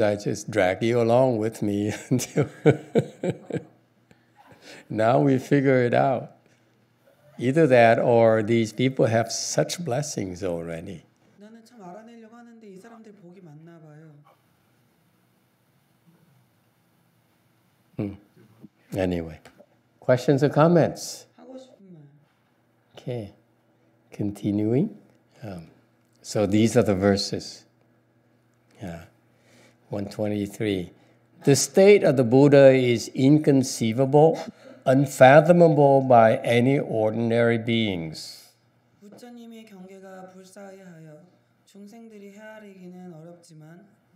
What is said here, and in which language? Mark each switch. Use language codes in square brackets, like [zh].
[en] I just dragged you along with me until now we figure it out. Either that or these people have such blessings already. [ko] 나는 참 알아내려고 하는데 이 사람들 복이 많나 봐요. [en] Anyway, questions or comments? Okay, continuing. So these are the verses. Yeah, 123. The state of the Buddha is inconceivable, unfathomable by any ordinary beings. [ko] 부처님의 경계가 불사하여 중생들이 헤아리기는 어렵지만.